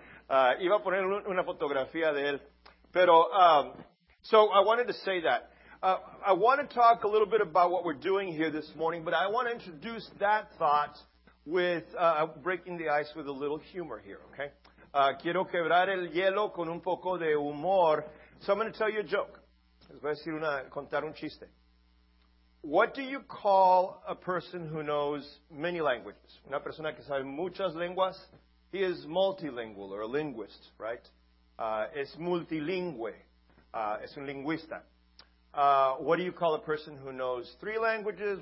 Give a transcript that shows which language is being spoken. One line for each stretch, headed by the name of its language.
Spanish: Iba a poner una fotografía de él. Pero,
English: so I wanted to say that. I want to talk a little bit about what we're doing here this morning, but I want to introduce that thought with breaking the ice with a little humor here, okay?
Spanish: Quiero quebrar el hielo con un poco de humor
English: So I'm going to tell you a joke.
Spanish: Les voy a decir una, contar un chiste.
English: What do you call a person who knows many languages?
Spanish: Una persona que sabe muchas lenguas.
English: He is multilingual or a linguist, right?
Spanish: Es multilingüe. Es un lingüista.
English: What do you call a person who knows three languages?